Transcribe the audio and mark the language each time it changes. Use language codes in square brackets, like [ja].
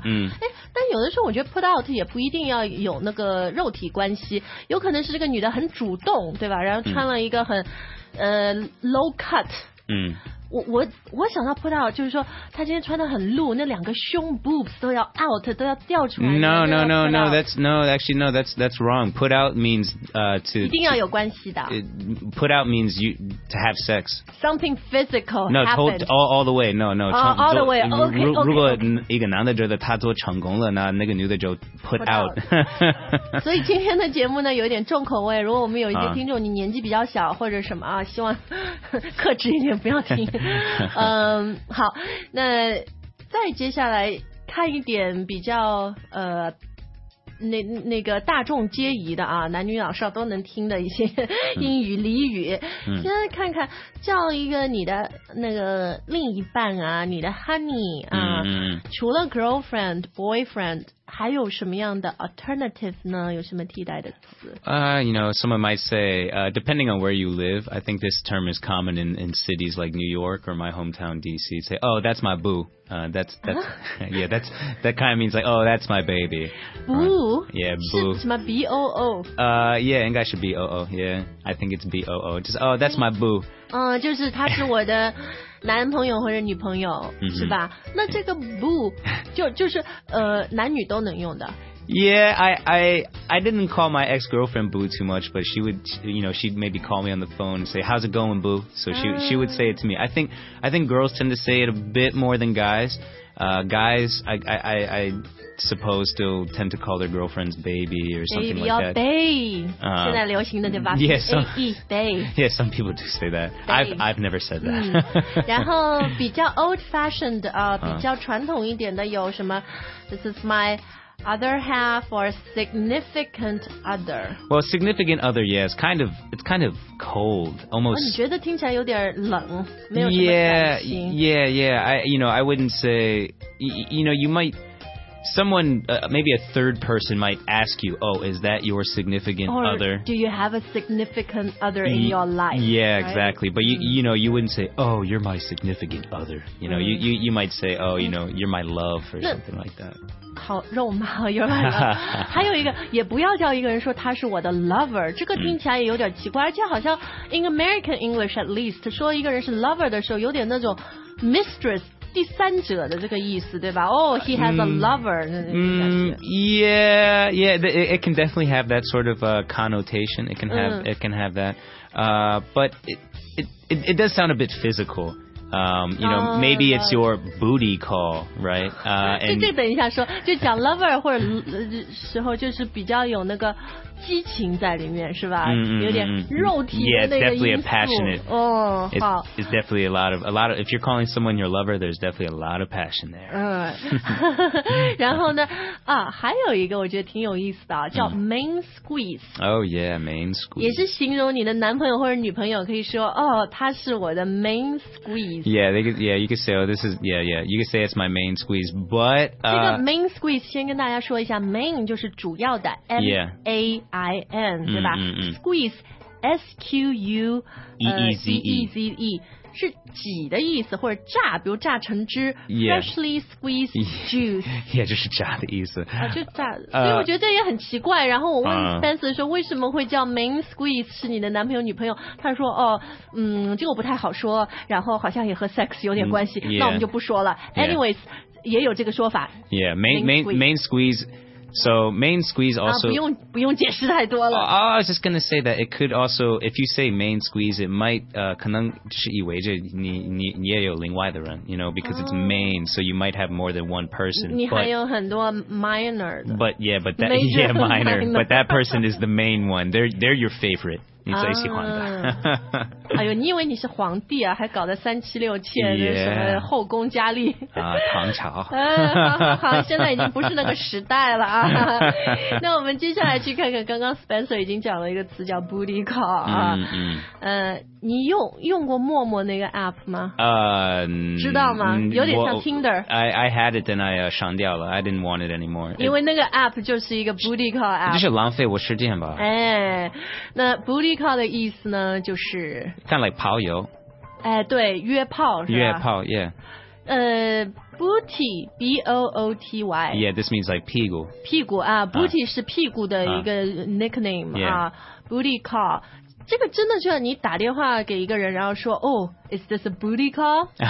[zh] 但有的时候我觉得 put out 也不一定要有那个肉体关系，有可能是这个女的很主动，对吧？然后穿了一个很low cut。我想到 put out 就是说他今天穿得很露那两个胸 boobs 都要 out 都要掉出来 [en] that's wrong put out means to [zh] 一定要有关系的 [en] put out means you to have sex something physical no happened. All the way all the way okay [zh] 如果一个男的觉得他做成功了那个女的就 put out 所以今天的节目呢有一点重口味如果我们有一些听众你年纪比较小或者什么啊，希望克制一点不要听好那再接下来看一点比较那个大众皆宜的啊男女老少都能听的一些英语俚语现在看看叫一个你的那个另一半啊你的 honey 啊除了 girlfriend boyfriend还有什么样的 alternative 呢有什么替代的词 [en] You know, someone might say, depending on where you live, I think this term is common in cities like New York or my hometown, D.C. Say, oh, that's my boo. That kind of means like, oh, that's my baby. Boo? Yeah, boo. [zh] 是什么 B-O-O? [en] Yeah, [zh] 应该是 [en] B-O-O, yeah. I think it's B-O-O. Just, oh, that's my boo. [zh] 就是他是我的男朋友或者女朋友是吧那这个 boo 就是男女都能用的 [en] yeah I didn't call my ex-girlfriend boo too much but she would you know she'd maybe call me on the phone and say how's it going boo so she would say it to me I think girls tend to say it a bit more than guys Guys, I suppose still tend to call their girlfriends baby or something baby like that. Baby or bae. [zh] 现在流行的对吧？ [en] Yeah, some people do say that. I've never said that. [zh] 然后比较 old fashioned, 比较传统一点的有什么 [en] This is my... Other half or significant other. Well, significant other, yes. Yeah, it's kind of cold, almost. [zh] 你觉得听起来有点冷，没有什么感情。 [en] Yeah. I wouldn't say, you know, you might, someone, maybe a third person might ask you, oh, is that your significant or other? Or do you have a significant other in your life? Yeah, right? Exactly. But, you know, you wouldn't say, oh, you're my significant other. You know, you might say, oh, you know, you're my love or something like that. [zh] 好肉麻有点还有一个也不要叫一个人说他是我的 lover 这个听起来也有点奇怪而且好像 [en] in American English at least [zh] 说一个人是 lover 的时候有点那种 mistress 第三者的这个意思对吧 [en] oh he has a lover it can definitely have that sort of connotation it can have that but it does sound a bit physicalyou know, maybe it's your booty call, right? Just [zh] 等一下说，就讲 lover 或者时候，就是比较有那个激情在里面，是吧？ Mm-hmm. 有点肉体的那个因素。 [en] Yeah, definitely a passionate. Oh, it's definitely a lot of. If you're calling someone your lover, there's definitely a lot of passion there. [zh] 然后呢，啊，还有一个我觉得挺有意思的，叫 main squeeze. [en] Oh yeah, main squeeze. [zh] 也是形容你的男朋友或者女朋友，可以说哦，他是我的 main squeeze. [en] You could say it's my main squeeze, but... [zh] 这个 main squeeze, 先跟大家说一下, main 就是主要的, M-A-I-N, mm-hmm. 对吧? Squeeze, S-Q-U-E-Z-E, 是挤的意思,或者榨,比如榨橙汁, [en] freshly squeezed juice. [zh] 也就是榨的意思。就榨,所以我觉得这也很奇怪,然后我问 Spencer 说为什么会叫 main squeeze, 是你的男朋友女朋友,他说哦,这个不太好说,然后好像也和 sex 有点关系,那我们就不说了。 [en] Anyways, [zh] 也有这个说法。 [en] Yeah, main squeeze... So main squeeze also [zh] 不用解释太多了。 [en] Oh, I was just gonna say that it could also if you say main squeeze, it might [zh] 可能是意味着你也有另外的人 [en] you know, because it's main, so you might have more than one person. [zh] 你还有很多 minor 的。 [en] But yeah, but that major, yeah minor, but that person is the main one. They're your favorite. [zh] 你最喜欢的、哎呦你以为你是皇帝啊还搞得三妻六妾的、 [en] yeah. [zh] 什么后宫佳丽啊唐朝好现在已经不是那个时代了啊那我们接下来去看看刚刚 Spencer 已经讲了一个词叫 booty call 啊、你用过陌陌那个 app 吗知道吗有点像 Tinder [en] I had it then I [zh] 删掉了 [en] I didn't want it anymore [zh] 因为那个 app 就是一个 booty call app 这是浪费我时间吧那 booty call 的意思呢就是 [en] kind of like [zh] 跑友对约炮是吧约炮 [en] yeah booty booty yeah this means like [zh] 屁股屁股啊 booty 是屁股的一个 nickname、booty call这个真的就是你打电话给一个人，然后说，哦， [en] is this a booty call？